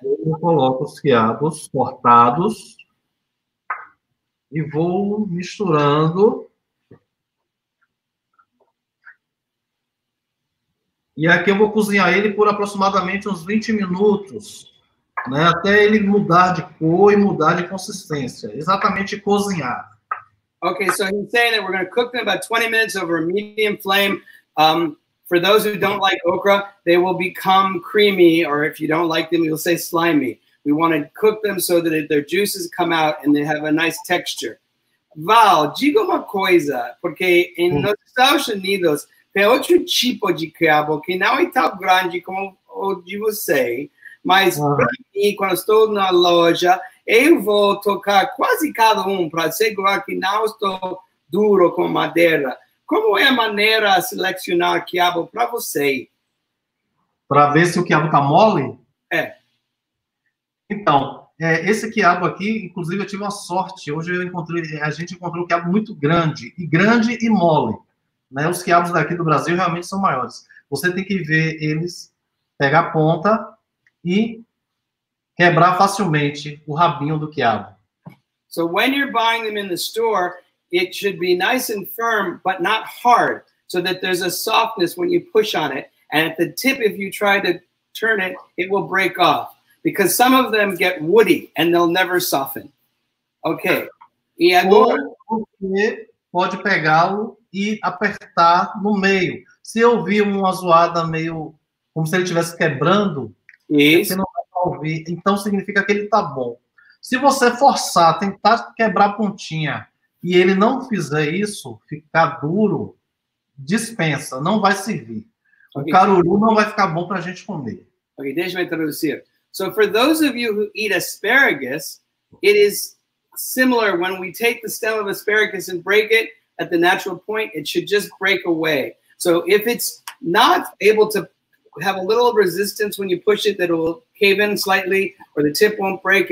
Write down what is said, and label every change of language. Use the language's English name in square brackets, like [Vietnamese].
[Portuguese] Eu coloco os quiabos cortados. E vou misturando. E aqui eu vou cozinhar ele por aproximadamente uns 20 minutos, né? Até ele mudar de cor e mudar de consistência. Exatamente cozinhar. [English] Ok, so he's saying that we're going to cook them about 20 minutes over a medium flame. For those who don't like okra, they will become creamy, or if you don't like them, you'll say slimy. We want to cook them so that their juices come out and they have a nice texture. [Portuguese] Val, diga uma coisa, porque nos Estados Unidos tem outro tipo de quiabo que não é tão grande como o de você, mas para mim, quando estou na loja, eu vou tocar quase cada para assegurar que não estou duro com madeira. Como é a maneira de selecionar quiabo para você? Para ver se o quiabo está mole? É. Então, esse quiabo aqui, inclusive, eu tive uma sorte. Hoje a gente encontrou um quiabo muito grande, e grande e mole. Né? Os quiabos daqui do Brasil realmente são maiores. Você tem que ver eles, pegar a ponta e quebrar facilmente o rabinho do quiabo. [English] So when you're buying them in the store, it should be nice and firm, but not hard, so that there's a softness when you push on it, and at the tip, if you try to turn it, it will break off. Because some of them get woody and they'll never soften. Okay. [Portuguese] E agora... Ou você pode pegá-lo e apertar no meio. Se eu ouvir uma zoada meio como se ele estivesse quebrando, você não vai ouvir. Então significa que ele está bom. Se você forçar, tentar quebrar a pontinha e ele não fizer isso, ficar duro, dispensa, não vai servir. Okay. O caruru não vai ficar bom para a gente comer. Ok, deixa eu traduzir. [English] So for those of you who eat asparagus, it is similar when we take the stem of asparagus and break it at the natural point, it should just break away. So if it's not able to have a little resistance when you push it, that it will cave in slightly or the tip won't break.